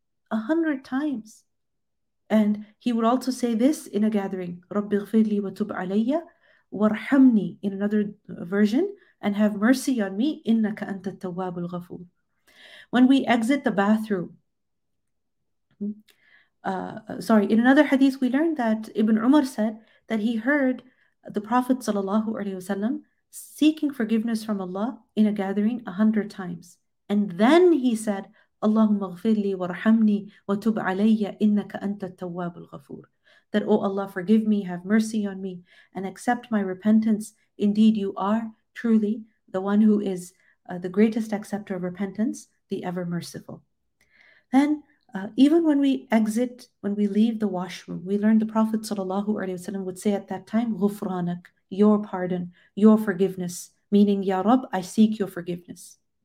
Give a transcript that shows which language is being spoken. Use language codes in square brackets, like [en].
[en] 100 times. And he would also say this in a gathering, [ar] رَبِّ اغْفِرْ لِي وَتُبْ عَلَيَّ وَارْحَمْنِي, [en] in another version, and have mercy on me, [ar] إِنَّكَ أَنْتَ التَّوَّابُ الْغَفُورُ. [en] When we exit the bathroom, in another hadith we learned that Ibn Umar said that he heard the Prophet sallallahu alaihi wasallam seeking forgiveness from Allah in a gathering 100 times. And then he said, [ar] اللهم اغفر لي وارحمني وتب علي إنك أنت التواب الغفور. [en] That, O Allah, forgive me, have mercy on me, and accept my repentance. Indeed, you are truly the one who is the greatest acceptor of repentance, the ever merciful. Then, even when we exit, when we leave the washroom, we learn the Prophet sallallahu alaihi wasallam would say at that time, [ar] غفرانك, [en] your pardon, your forgiveness, meaning, Ya Rab, I seek your forgiveness.